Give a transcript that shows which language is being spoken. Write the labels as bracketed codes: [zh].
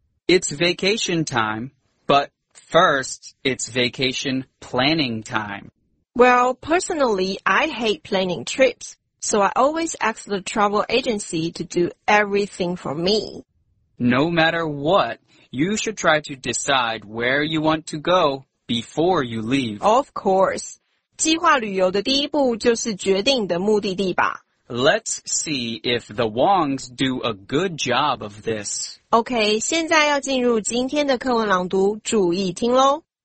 [en] It's vacation time, but first, it's vacation planning time. Well, personally, I hate planning trips, so I always ask the travel agency to do everything for me. No matter what, you should try to decide where you want to go before you leave. Of course. [zh] 计划旅游的第一步就是决定的目的地吧。 [en] Let's see if the Wongs do a good job of this. [zh] OK, 现在要进入今天的课文朗读,注意听咯。